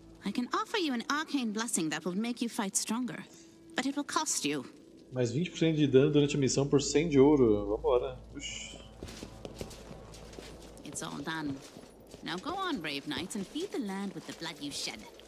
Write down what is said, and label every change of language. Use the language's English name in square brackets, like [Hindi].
[English] I can offer you an arcane blessing that will make you fight stronger, but it will cost you. [Portuguese] Mais 20% de dano durante a missão por 100 de ouro. Vambora. Ux. [English] It's all done. Now go on, brave knights, and feed the land with the blood you shed.